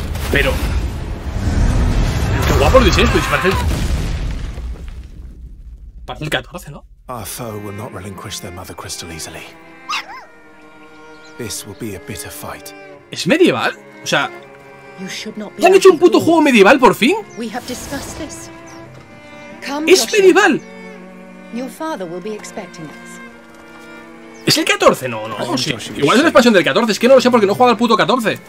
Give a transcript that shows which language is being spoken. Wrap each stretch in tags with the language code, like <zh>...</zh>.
<es>Pero qué guapo el 16, pues parece el 14, ¿no?</es> <en>Our foe will not relinquish their mother crystal easily. This will be a bitter fight.</en> <es>¿Es medieval? O sea, ¿ya han hecho un puto juego medieval por fin?</es> <en>We have discussed this. Come,</en> <es>¡es medieval!</es> <en>Your father will be expecting us.</en> <es>¿Es el 14? No, no, sí. Igual es la expansión del 14, es que no lo sé porque no he jugado al puto 14.</es>